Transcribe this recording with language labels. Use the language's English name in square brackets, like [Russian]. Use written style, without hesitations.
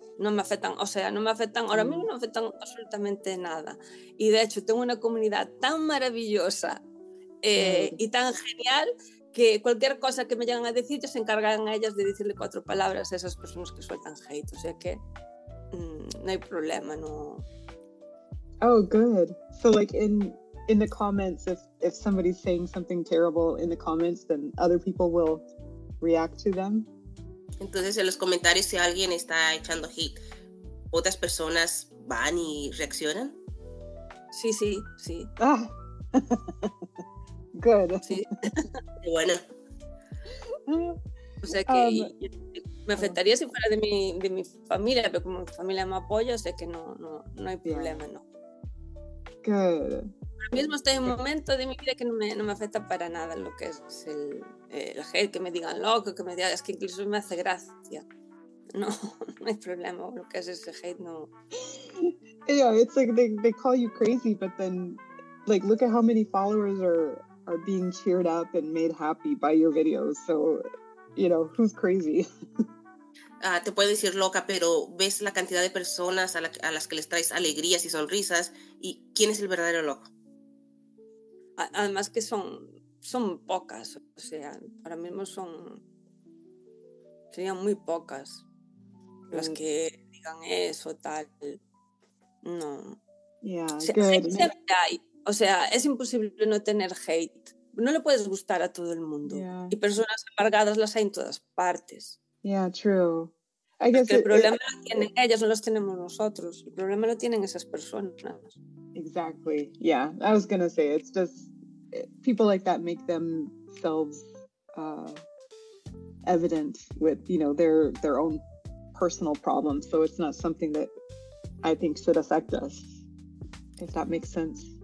[Spanish] No me afectan, o sea, no me afectan, ahora mismo no afectan absolutamente nada. Y de hecho, tengo una comunidad tan maravillosa y tan genial, que cualquier cosa que me lleguen a decir, ya se encargan a ellas de decirle cuatro palabras a esas personas que sueltan hate. O sea que no hay problema, no. [English] Oh, good. So, like, in the comments, if somebody's saying something terrible in the comments, then other people will react to them. [Spanish] Entonces, en los comentarios, si alguien está echando hate, otras personas van y reaccionan. Sí, sí, sí. [English] Ah. Good. [Spanish] Sí. Bueno. O sea que me afectaría si fuera de mi familia, pero como mi familia me apoya, o sea que no hay problema, ¿no? [English] good. [Spanish] Ahora mismo estoy en un momento de mi vida que no me afecta para nada lo que es el la gente que me digan loco, que me digan, es que incluso me hace gracia. No hay problema, lo que es ese hate, no. [English] Yeah, it's like they call you crazy, but then, like, look at how many followers are being cheered up and made happy by your videos. So, you know, who's crazy? [Spanish] Te puedo decir loca, pero ves la cantidad de personas a las que les traes alegrías y sonrisas, y ¿quién es el verdadero loco? Además que son pocas, o sea, ahora mismo serían muy pocas las que digan eso, tal. No. [English] Yeah, [Spanish] o sea, siempre hay. O sea, es imposible no tener hate. No le puedes gustar a todo el mundo. [English] Yeah. [Spanish] Y personas amargadas las hay en todas partes. [English] Yeah, true. I guess [Spanish] el problema lo tienen ellas, no los tenemos nosotros. El problema lo tienen esas personas. [English] Exactly. Yeah, I was going to say, it's just people like that make themselves evident with, you know, their own personal problems, so it's not something that I think should affect us, if that makes sense.